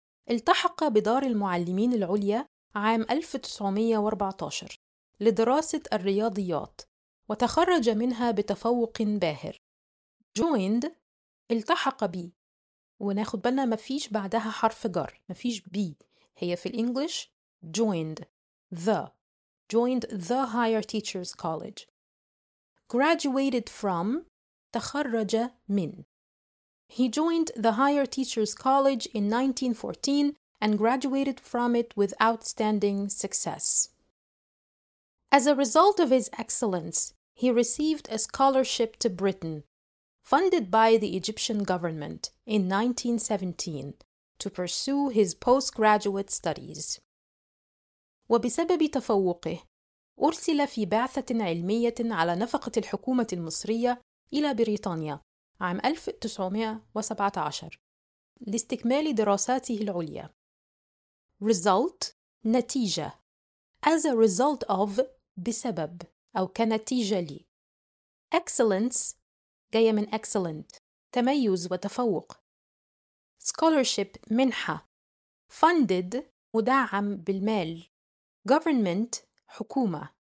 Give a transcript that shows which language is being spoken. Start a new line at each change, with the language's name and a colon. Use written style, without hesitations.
Arabic: التحق بدار المعلمين العليا عام 1914 لدراسة الرياضيات وتخرج منها بتفوق باهر. Joined التحق بي، وناخد بالنا مفيش بعدها حرف جر، مفيش بي، هي في الإنجليش
English: joined the. Joined the Higher Teachers College. Graduated from
Arabic: تخرج من.
English: He joined the Higher Teachers College in 1914 and graduated from it with outstanding success. As a result of his excellence, he received a scholarship to Britain, funded by the Egyptian government in 1917, to pursue his postgraduate studies.
Arabic: وبسبب تفوقه أرسل في بعثة علمية على نفقة الحكومة المصرية إلى بريطانيا عام 1917 لاستكمال دراساته العليا. Result نتيجة.
English: As a result of
Arabic: بسبب أو كنتيجة لي. Excellence جاية من excellent تميز وتفوق. Scholarship منحة. Funded مدعم بالمال. Government حكومة.